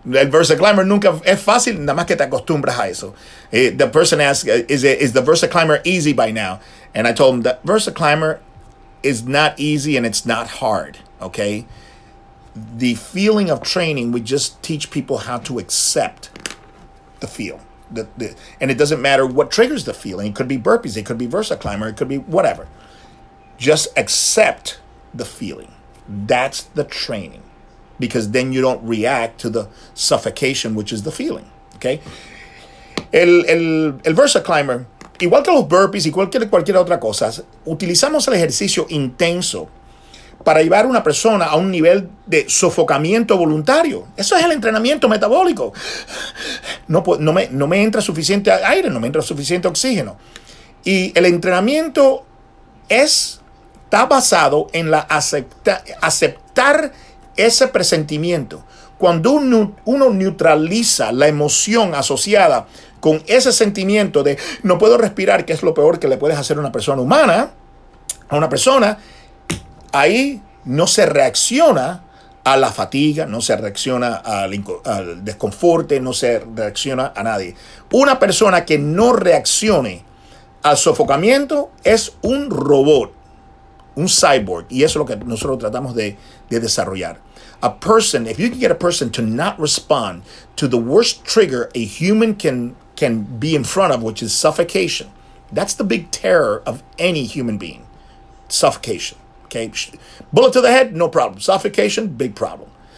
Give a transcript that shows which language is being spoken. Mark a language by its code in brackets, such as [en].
[es] El Versa Climber nunca es fácil, nada más que te acostumbras a eso. [en] The person asked, is the Versa Climber easy by now? And I told him that Versa Climber is not easy and it's not hard, okay? The feeling of training, we just teach people how to accept the feel. And it doesn't matter what triggers the feeling. It could be burpees, it could be Versa Climber, it could be whatever. Just accept the feeling. That's the training, because then you don't react to the suffocation, which is the feeling, okay? [es] El Versa Climber, igual que los burpees y cualquier otra cosa, utilizamos el ejercicio intenso para llevar a una persona a un nivel de sofocamiento voluntario. Eso es el entrenamiento metabólico. No me entra suficiente aire, no me entra suficiente oxígeno. Y el entrenamiento está basado en la aceptar ese presentimiento. Cuando uno neutraliza la emoción asociada con ese sentimiento de no puedo respirar, que es lo peor que le puedes hacer a una persona humana, a una persona, ahí no se reacciona a la fatiga, no se reacciona al desconforte, no se reacciona a nadie. Una persona que no reaccione al sofocamiento es un robot. Un cyborg, y eso es lo que nosotros tratamos de desarrollar. [en] A person, if you can get a person to not respond to the worst trigger a human can be in front of, which is suffocation, that's the big terror of any human being. Suffocation, okay? Bullet to the head, no problem. Suffocation, big problem.